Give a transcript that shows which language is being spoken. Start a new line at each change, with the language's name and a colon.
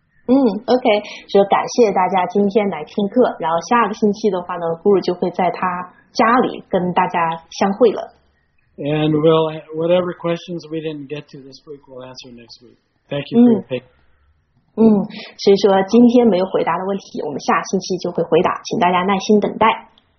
Chinese: OK, 就感谢大家今天来听课，然后下个星期的话呢 ,Guru 就会在他家里跟大家相会了。
English: And we'll, whatever questions we didn't get to this week, we'll answer next week. Thank you for your patience.
Chinese: 所以说今天没有回答的问题，我们下星期就会回答，请大家耐心等待。